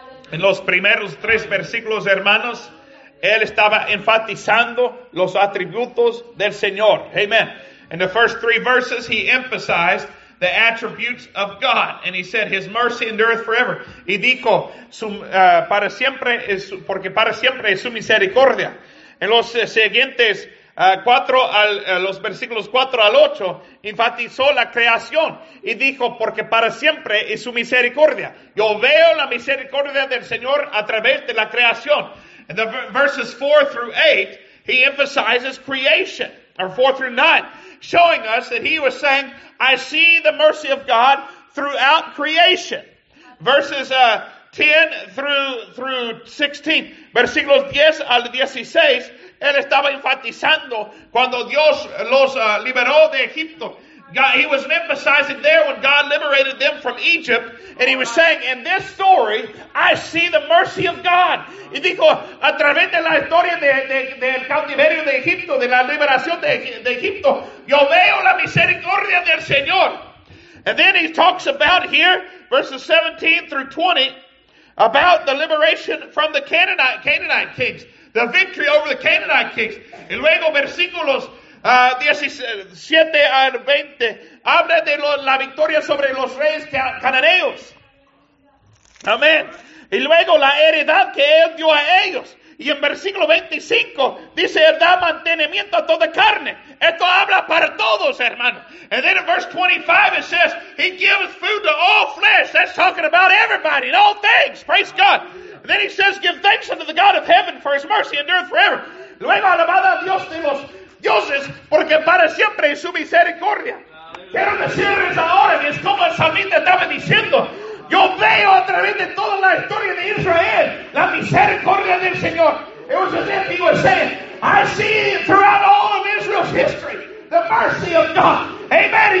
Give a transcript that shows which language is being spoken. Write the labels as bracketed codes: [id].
[es] En los primeros tres versículos, hermanos, él estaba enfatizando los atributos del Señor. Amen. [en] In the first three verses, he emphasized the attributes of God. And he said, his mercy endureth forever. [es] Y dijo, para siempre es, porque para siempre es su misericordia. En los siguientes los versículos 4 al 8, enfatizó la creación y dijo, porque para siempre es su misericordia. Yo veo la misericordia del Señor a través de la creación. [en] In the verses 4 through 8, he emphasizes creation, or 4 through 9, showing us that he was saying, I see the mercy of God throughout creation. Verses 10 through 16, [es] versículos 10 al 16, él estaba enfatizando cuando Dios los liberó de Egipto. [en] God, he was emphasizing there when God liberated them from Egypt, and he was saying, in this story, I see the mercy of God. [es] Y dijo, a través de la historia del cautiverio de Egipto, de la liberación de Egipto, yo veo la misericordia del Señor. [en] And then he talks about here, verses 17 through 20, about the liberation from the Canaanite kings, the victory over the Canaanite kings. [es] Y luego, versículos 17 al 20 habla de la victoria sobre los reyes cananeos. Amén. Y luego la heredad que él dio a ellos. Y en versículo 25 dice, él da mantenimiento a toda carne. Esto habla para todos, hermano. [en] And then in verse 25 it says, he gives food to all flesh. That's talking about everybody and all things. Praise God. And then he says, give thanks unto the God of heaven for his mercy endureth forever. [es] Luego alabada a Dios de los Dioses, porque para siempre es su misericordia. Quiero decirles ahora que es como el salmista estaba diciendo. Yo veo a través de toda la historia de Israel la misericordia del Señor. [en] It was as if he was saying, I see throughout all of Israel's history the mercy of God. Amen.